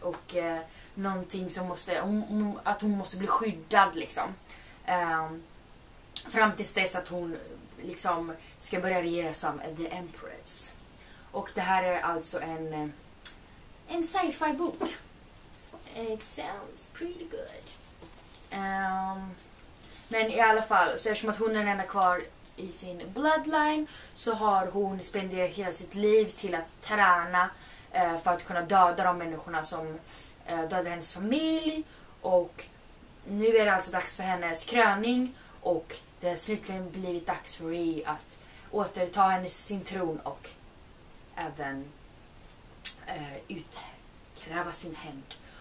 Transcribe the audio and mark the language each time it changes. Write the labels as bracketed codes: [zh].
[sv] Och någonting som måste, att hon måste bli skyddad liksom. Fram tills dess att hon liksom ska börja regera som The Empress. Och det här är alltså en sci-fi bok. [en] And it sounds pretty good. [sv] Men i alla fall, så eftersom att hon är ända kvar i sin bloodline så har hon spenderat hela sitt liv till att träna för att kunna döda de människorna som dödade hennes familj. Och nu är det alltså dags för hennes kröning och det har slutligen blivit dags för Rhi att återta hennes sin tron och även utkräva sin hämnd.